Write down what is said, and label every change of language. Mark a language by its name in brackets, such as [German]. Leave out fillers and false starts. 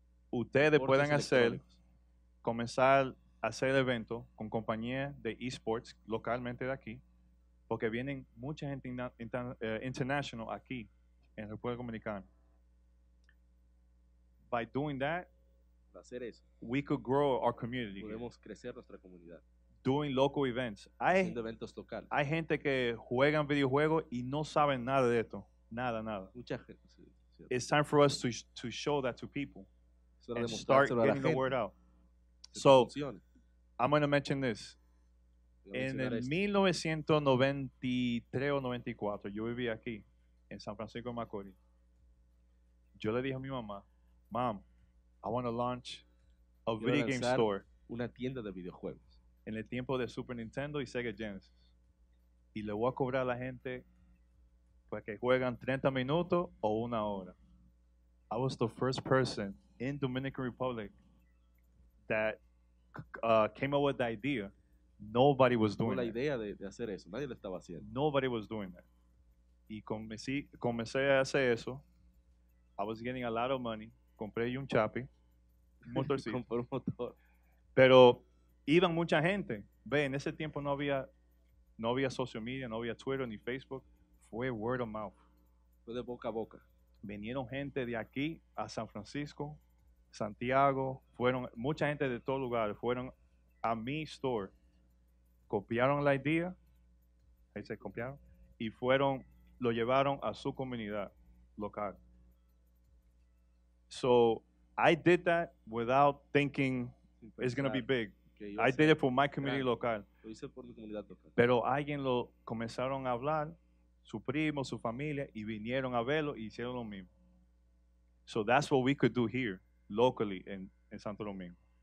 [Spanish] Ustedes pueden hacer, comenzar a hacer eventos con compañías de esports localmente de aquí, porque vienen mucha gente international aquí en República Dominicana. [English] By doing that, [Spanish] hacer eso, [English] we could grow our community. [Spanish] Podemos crecer nuestra comunidad. [English] Doing local events. [Spanish] Haciendo eventos locales. Hay gente que juega videojuegos y no saben nada de esto. Nada, nada. Mucha gente. Sí, [English] it's time for us to show that to people. And start getting the word out. So, I'm going to mention this. [Spanish] En el 1993 o 94, yo vivía aquí, en San Francisco de Macorís. Yo le dije a mi mamá, [English] Mom, I want to launch a video game store. [Spanish] Una tienda de videojuegos. En el tiempo de Super Nintendo y Sega Genesis. Y le voy a cobrar a la gente para que jueguen 30 minutos o una hora. [English] I was the first person in Dominican Republic that came up with the idea. Nobody was doing that. [Spanish] La idea de hacer eso. Nadie lo estaba haciendo. Nobody was doing that. Y comencé a hacer eso. [English] I was getting a lot of money. [Spanish] Compré un chapi, un motorcito. Compré un motor. Pero iban mucha gente. Ve, en ese tiempo no había social media, no había Twitter ni Facebook. [English] Fue word of mouth. [Spanish] Fue de boca a boca. Vinieron gente de aquí a San Francisco, Santiago. Fueron mucha gente de todo lugar. Fueron a mi store. Copiaron la idea. Ahí se copiaron. Y fueron, lo llevaron a su comunidad local. [English] So, I did that without thinking it's going to be big. Okay, I did it for my community local. [Spanish] Lo hice por mi comunidad local. Pero alguien lo comenzaron a hablar, su primo, su familia, y vinieron a verlo y hicieron lo mismo. [English] So, that's what we could do here, locally, in Santo Domingo.